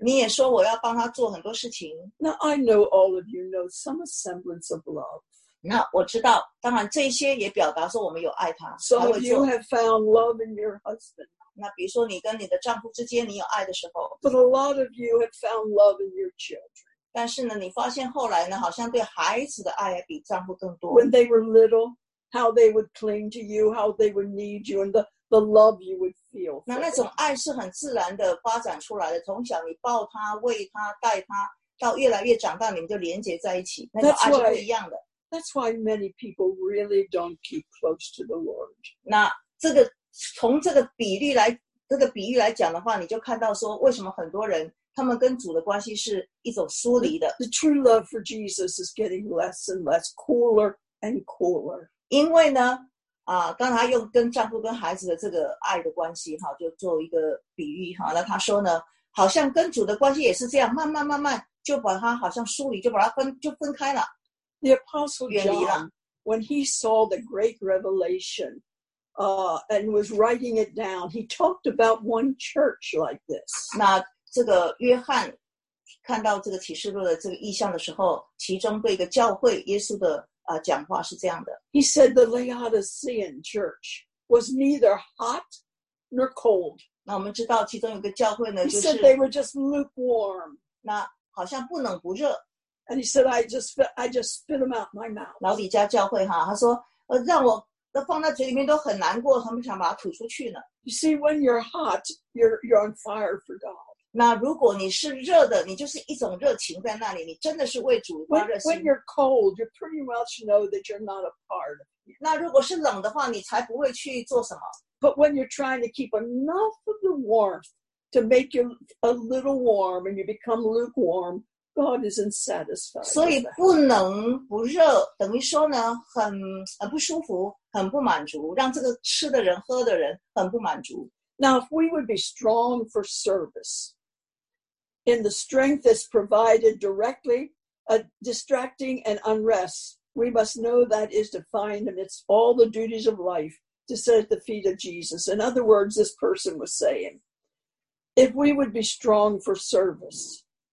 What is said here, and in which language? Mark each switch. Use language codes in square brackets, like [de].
[zh] 你也说我要帮他做很多事情。 [en] Now I know all of you know some semblance of love. [zh] 那我知道，当然这些也表达说我们有爱他。 [en] So if you have found love in your husband. [zh] 那比如说你跟你的丈夫之间你有爱的时候。 [en] But a lot of you have found love in your children. [zh] 但是呢，你发现后来呢，好像对孩子的爱比丈夫更多。 [en] When they were little. How they would cling to you, how they would need you, and the love you would feel. [zh] 那那种爱是很自然的发展出来的。从小你抱他、喂他、带他，到越来越长大，你们就连接在一起，那种爱是不一样的。 [en] That's why many people really don't keep close to the Lord. [zh] 那这个从这个比例来这个比喻来讲的话，你就看到说为什么很多人他们跟主的关系是一种疏离的。 [en] The true love for Jesus is getting less and less, cooler and cooler. [zh] 因为呢、啊、刚才用跟丈夫跟孩子的这个爱的关系哈，就做一个比喻哈。那他说呢，好像跟主的关系也是这样，慢慢慢慢就把他好像疏离，就把他分开了。 [en] The Apostle John, when he saw the great revelation, and was writing it down, he talked about one church like this. [zh] 那这个约翰看到这个启示录的这个意象的时候，其中对一个教会耶稣的讲话是这样的。 [en] He said the Laodicean church was neither hot nor cold. [zh] 那我们知道其中有个教会呢，就是。 [en] He said they were just lukewarm. [zh] 那好像不冷不热。 [en] And he said I just spit them out my mouth. [zh] 老底嘉教会哈，他说让我放在嘴里面都很难过，他们想把它吐出去呢。 [en] You see, when you're hot, you're on fire for God. [zh] 那如果你是热的，你就是一种热情在那里，你真的是为主发热心。 [en] When you're cold, you pretty much know that you're not a part of it. [zh] 那如果是冷的话，你才不会去做什么。 [en] But when you're trying to keep enough of the warmth to make you a little warm and you become lukewarm, God isn't satisfied. [zh] 所以不冷不热，等于说呢，很不舒服，很不满足，让这个吃的人、喝的人很不满足。 [en] Now, if we would be strong for service, in the strength that's provided directly, distracting and unrest, we must know that is defined amidst all the duties of life to sit at the feet of Jesus. In other words, this person was saying, if we would be strong for service.